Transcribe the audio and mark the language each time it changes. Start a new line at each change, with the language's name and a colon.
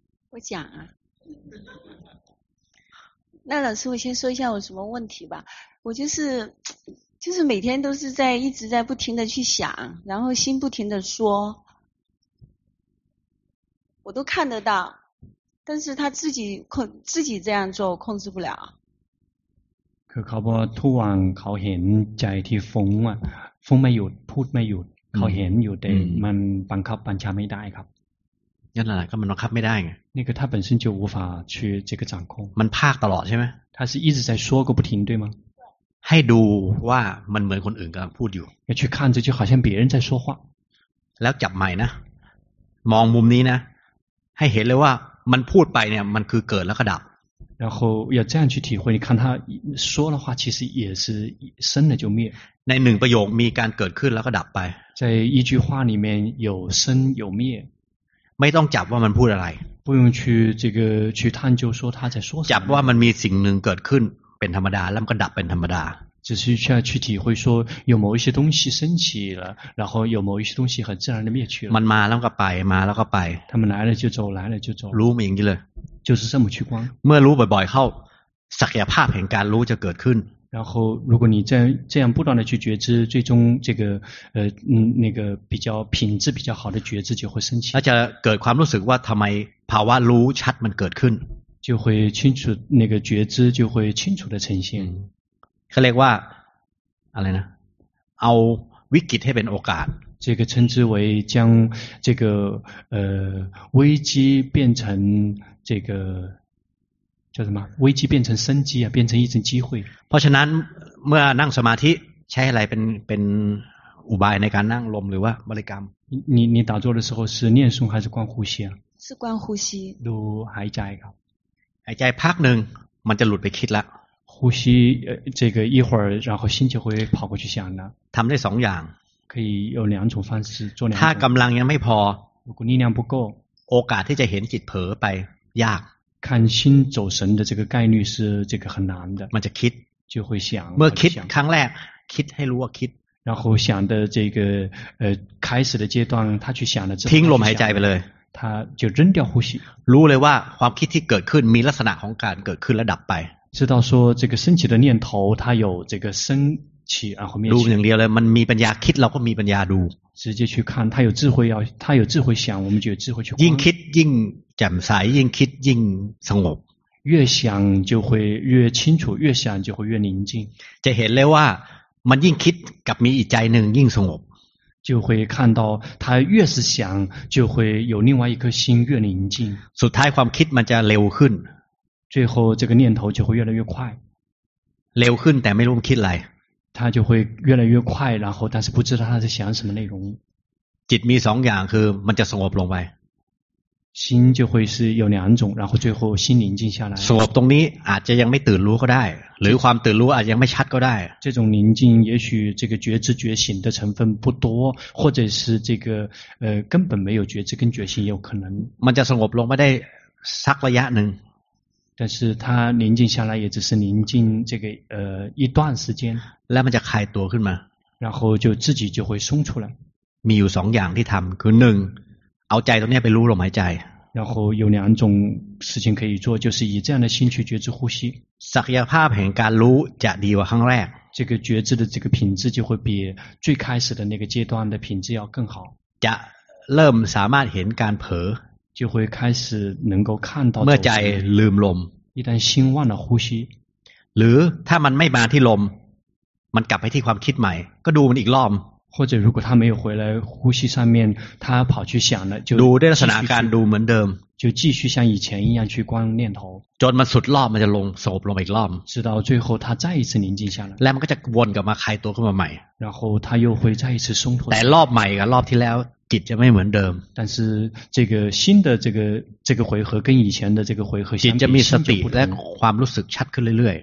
Chinese: 我讲啊那老师我先说一下我什么问题吧我就是每天都是在一直在不停的去想然后心不停的说我都看得到但是他自己这样做控制不了
Thai: 可เขาบอก
Chinese: 突然
Thai: เขาเห็นใจที่ฟุ้งอ่ะฟุ้งไม่หยุดพูดไม่หยุดเขาเห็นอยู่แต่มันบังคับบัญชาไม่ได้ครับ นั่นแหละก็มันบังคับไม่ได้ไง
Chinese: 那个他本身就无法去这个掌控
Thai: มันพากตลอดใช่ไหม
Chinese: 他是一直在说个不停对吗
Thai: ให้ดูว่ามันเหมือนคนอื่นกำลังพูดอยู่
Chinese: 要去看这就好像别人在说话
Thai: แล้วจับใหม่นะมองมุมนี้นะให้เห็นเลยว่ามันพูดไปเนี่ยมันคือเกิดแล้วก็ดับ
Chinese: 然后要这样去体会你看他说的话其实也是生了就灭
Thai: ในหนึ่งประโยคมีการเกิดขึ้นแล้วก็ดับไป
Chinese: 在一句话里面有生有灭
Thai: ไม่ต้องจับว่ามันพูดอะไร
Chinese: 不用去这个去探究说他在说什么
Thai: จับว่ามันมีสิ่งหนึ่งเกิดขึ้นเป็นธรรมดาแล้วมันก็ดับเป็นธรรมดา
Chinese: 只是去体会说有某一些东西升起了然后有某一些东西很自然的灭去了
Thai: มันมาแล้วก็ไปมาแล้วก็ไป
Chinese: 他们来了就走来了就走
Thai: รู้มันอย่างนี้เลย
Chinese: 就是这么去观
Thai: เมื่อรู้บ่อยๆเข้าศักยภาพแห่งการรู้จะเกิดขึ้น
Chinese: 然后如果你这样不断的去觉知最终这个那个比较品质比较好的觉知就会升起那就
Thai: เกิดความรู้สึกว่าทําไมภาวะรู้ชัดมันเกิดขึ้น
Chinese: 就会清楚那个觉知就会清楚的呈现
Thai: เขาเรียกว่าอะไรนะเอาวิกฤตให้เป็นโอกาส
Chinese: 这个称之为将这个危机变成这个叫什么危机变成生机啊变成一种机会
Thai: เพราะฉะนั้นเมื่อนั่งสมาธิใช้อะไรเป็นอุบายในการนั่งลมหรือว่าบริกรรม
Chinese: 你打坐的时候是念诵还是观呼吸啊是观呼吸
Thai: ดูหายใจครับ หายใจพักหนึ่งมันจะหลุดไปคิดละ
Chinese: 呼呼吸这个一会儿，然后心就会跑过去想呢？
Thai: ทำได้สองอย่าง
Chinese: 可以有两种方式做两
Thai: 种。ถ้ากำลังยังไม่พอ
Chinese: 如果力量不够
Thai: โอกาสที่จะเห็นจิตเผลอไปยาก
Chinese: 看心走神的这个概率是这个很难的
Thai: มันจะคิด
Chinese: 就会想
Thai: เมื่อคิดครั้งแรกคิดให้รู้ว่าคิด
Chinese: 然后想的这个开始的阶段他去想了之后
Thai: ทิ้งลมหายใจไปเลย
Chinese: 他就扔掉呼吸
Thai: รู้เลยว่าความคิดที่เกิดขึ้นมีลักษณะของการเกิดขึ้นและดับไป
Chinese: 知道说这个升起的念头它有这个升起然后灭起
Thai: รู้อย่างเดียวเลยมันมีปัญญาคิดเราก็มีปัญญาดู
Chinese: 直接去看它有智慧要它有智慧想我们就有智慧去
Thai: ยิ่งคิดยิ่งแจ่มใสยิ่งคิดยิ่งสงบ
Chinese: 越想就会越清楚越想就会越宁静
Thai: จะเห็นเลยว่ามันยิ่งคิดกับมีอีกใจนึงยิ่งสงบ
Chinese: 就会看到他越是想就会有另外一颗心越宁静
Thai: สุดท้ายความคิดมันจะเร็วขึ้น
Chinese: 最后这个念头就会越来越快
Thai: เร็วขึ้นแต่ไม่รู้คิดอะไร
Chinese: 他就会越来越快然后但是不知道他在想什么内容
Thai: จิตมีสองอย่างคือมันจะสงบลงไป
Chinese: 心就会是有两种然后最后心宁静下来
Thai: สงบตรงนี้อาจจะยังไม่ตื่นรู้ก็ได้หรือความตื่นรู้อาจยังไม่ชัดก็ได้
Chinese: 这种宁静也许这个觉知觉醒的成分不多或者是这个根本没有觉知跟觉醒也有可能
Thai: มันจะสงบลงไม่ได้สักระยะหนึ่ง
Chinese: 但是它宁静下来也只是宁静这个一段时间
Thai: แล้วมันจะคลายตัวขึ้นมา
Chinese: 然后就自己就会松出来
Thai: มีอยู่สองอย่างที่ทำคือหนึ่งเอาใจตรงนี้ไปรู้ลมหายใจ
Chinese: 然后有两种事情可以做就是以这样的心去觉知呼吸
Thai: ศักยภาพแห่งการรู้จะดีกว่าครั้งแรก
Chinese: 这个觉知的这个品质就会比最开始的那个阶段的品质要更好
Thai: จะเริ่มสามารถเห็นการเผลอ
Chinese: 就会开始能够看到
Thai: เมื่อใจลืมลม
Chinese: 一旦心忘了呼吸
Thai: หรือถ้ามันไม่มาที่ลมมันกลับไปที่ความคิดใหม่ก็ดูมันอีกรอบ
Chinese: 或者如果他没有回来呼吸上面他跑去想了就
Thai: ดูได้ลักษณะการดูเหมือนเดิม
Chinese: 就继续像以前一样去观念头
Thai: จนมันสุดรอบมันจะลงสงบลงอีกรอบ
Chinese: 直到最后他再一次宁静下来
Thai: แล้วมันก็จะวนกลับมาคลายตัวขึ้นมาใหม่
Chinese: 然后他又会再一次松脱
Thai: แต่รอบใหม่กับรอบที่แล้วจิตจะไม่เหมือนเดิม
Chinese: 但是这个新的这个回合跟以前的这个回合
Thai: จิตจะมีสติและความรู้สึกชัดขึ้นเรื่อย